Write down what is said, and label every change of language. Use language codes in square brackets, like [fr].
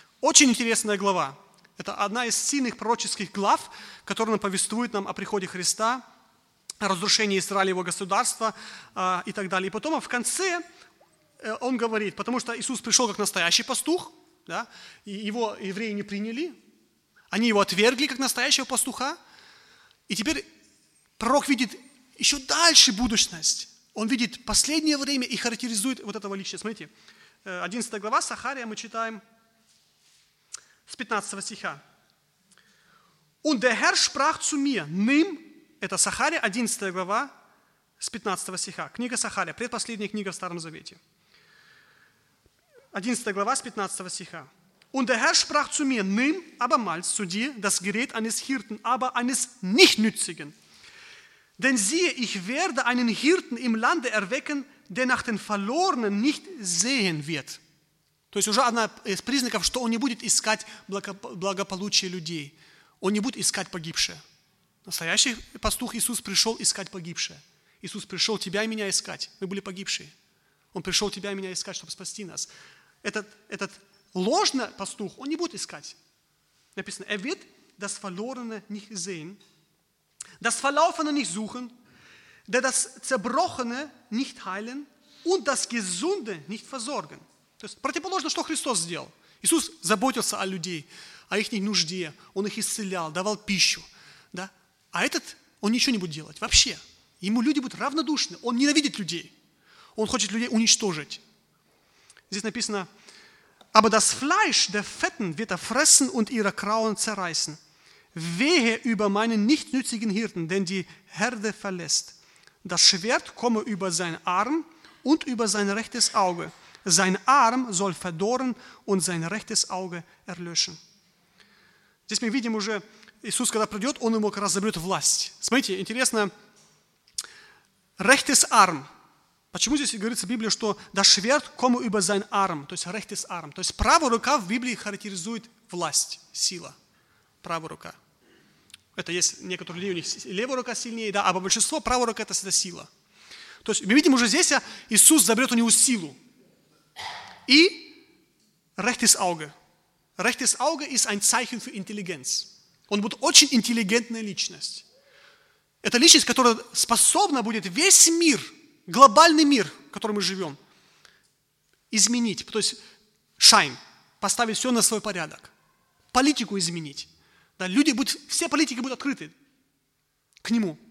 [ru] Очень интересная глава. Это одна из сильных пророческих глав, которая повествует нам о приходе Христа, о разрушении Израиля, его государства и так далее. И потом в конце он говорит, потому что Иисус пришел как настоящий пастух, да, и его евреи не приняли, они его отвергли как настоящего пастуха. И теперь пророк видит еще дальше будущность. Он видит последнее время и характеризует вот этого личность. Смотрите, 11 глава Захария мы читаем с 15 стиха. [de] «Und der Herr sprach zu mir, nimm...» [ru] Это Захария, 11 глава, с 15 стиха. Книга Захария, предпоследняя книга в Старом Завете. 11 глава, с 15 стиха. [de] «Und der Herr sprach zu mir, nimm abermals zu dir das Gerät eines Hirten, aber eines nichtnützigen. Denn siehe, ich werde einen Hirten im Lande erwecken, der nach den Verlorenen nicht sehen wird. [ru] То есть уже одна из признаков, что он не будет искать благополучие людей. Он не будет искать погибшее. Настоящий пастух Иисус пришел искать погибшее. Иисус пришел тебя и меня искать. Мы были погибшие. Он пришел тебя и меня искать, чтобы спасти нас. Этот ложный пастух, он не будет искать. Написано, [de] er wird das Verlorene nicht sehen. Das Verlaufene nicht suchen, der das Zerbrochene nicht heilen und das Gesunde nicht versorgen. [ru] То есть противоположно, что Христос сделал. Иисус заботился о людей, о их нужде, Он их исцелял, давал пищу. Да? А этот, он ничего не будет делать вообще. Ему люди будут равнодушны, он ненавидит людей. Он хочет людей уничтожить. Здесь написано, [de] «Aber das Fleisch der Fetten wird er fressen und ihre Krauen zerreißen». Wehe über meinen nichtnützigen Hirten, denn die Herde verlässt. Das Schwert komme über seinen Arm und über sein rechtes Auge. Sein Arm soll verdorren und sein rechtes Auge erlöschen. [ru] Здесь мы видим уже, Иисус, когда придет, Он ему как раз заберет власть. Смотрите, интересно, [de] rechtes Arm. [ru] Почему здесь говорится в Библии, что [de] das Schwert komme über sein Arm, [ru] то есть [de] rechtes Arm. [ru] То есть правая рука в Библии характеризует власть, сила. Правая рука. Это есть некоторые люди, у них левая рука сильнее, да, а по большинству правая рука – это всегда сила. То есть мы видим уже здесь, Иисус заберет у него силу. [de] И rechtes Auge. Rechtes Auge ist ein Zeichen für Intelligenz. [ru] Он будет очень интеллигентная личность. Это личность, которая способна будет весь мир, глобальный мир, в котором мы живем, изменить. То есть шайн, поставить все на свой порядок. Политику изменить. Да, люди будут, все политики будут открыты к нему.